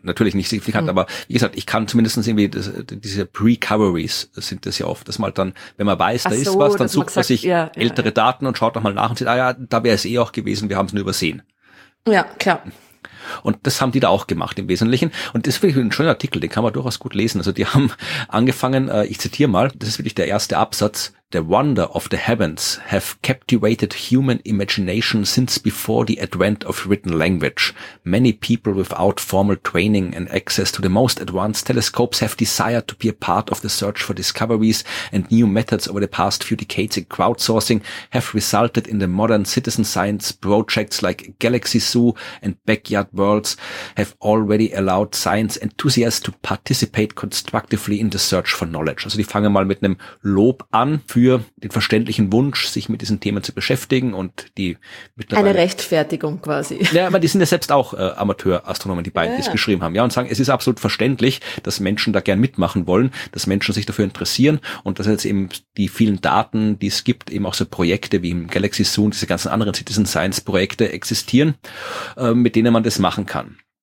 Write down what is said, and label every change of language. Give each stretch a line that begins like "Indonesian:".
German: Natürlich nicht signifikant. Aber wie gesagt, ich kann zumindest irgendwie, diese Precoveries sind das ja oft, dass man halt dann, wenn man weiß, da ist was, dann sucht man sich ältere Daten und schaut nochmal nach und sieht, ah ja, da wäre es eh auch gewesen, wir haben es nur übersehen. Ja, klar. Und das haben die da auch gemacht im Wesentlichen. Und das ist wirklich ein schöner Artikel, den kann man durchaus gut lesen. Also die haben angefangen, ich zitiere mal, das ist wirklich der erste Absatz.
English: The wonder of the heavens have captivated human imagination since before the advent of written language. Many people without formal training and access to the most advanced telescopes have desired to be a part of the search for discoveries and new methods over the past few decades in crowdsourcing have resulted in the modern citizen science projects like Galaxy Zoo and Backyard Worlds have already allowed science enthusiasts to participate constructively in the search for knowledge.
German: Also die fangen mal mit einem Lob an für den verständlichen Wunsch, sich mit diesen Themen zu beschäftigen und die mittlerweile... Eine Rechtfertigung quasi. Ja, aber die sind ja selbst auch Amateurastronomen, die beiden, die es geschrieben haben. Ja, und sagen, es ist absolut verständlich, dass Menschen da gern mitmachen wollen, dass Menschen sich dafür interessieren und dass jetzt eben die vielen Daten, die es gibt, eben auch so Projekte wie im Galaxy Zoo und diese ganzen anderen Citizen Science Projekte existieren, mit denen man das machen kann.